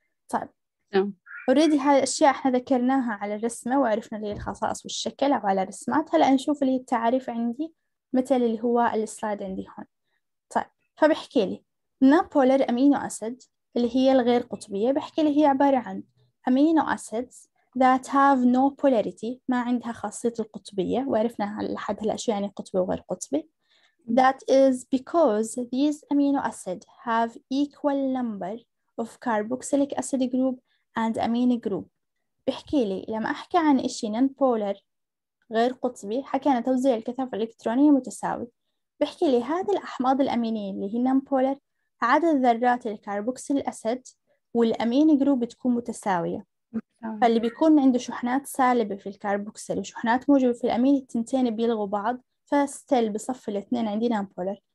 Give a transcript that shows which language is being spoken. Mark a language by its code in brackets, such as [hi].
[ar] طيب اوريدي هاي الاشياء احنا ذكرناها على الرسمه وعرفنا اللي هي الخصائص والشكل او على الرسمات، هلا نشوف اللي هي التعريف عندي مثل اللي هو السلايد عندي هون. طيب فبحكي لي نابولر امينو اسيد اللي هي الغير قطبيه، بحكي لي هي عباره عن امينو اسيد [en] that have no polarity [ar] ما عندها خاصية القطبية، وعرفنا لحد هلا شو يعني قطبي وغير قطبي. [en] That is because these amino acids have equal number of carboxylic acid group and amine group. [ar] بحكي لي لما أحكي عن إشي non polar غير قطبي حكينا توزيع الكثافة الإلكترونية متساوي، بحكي لي هذه الأحماض الأمينية اللي هي non polar عدد ذرات الكربوكسيل أسيد والأمين جروب بتكون متساوية. فاللي بيكون عنده شحنات سالبة في الكربوكسيل وشحنات موجبة في الأمين التنتين بيلغوا بعض، فستيل بصف الاثنين عندي نامبولر.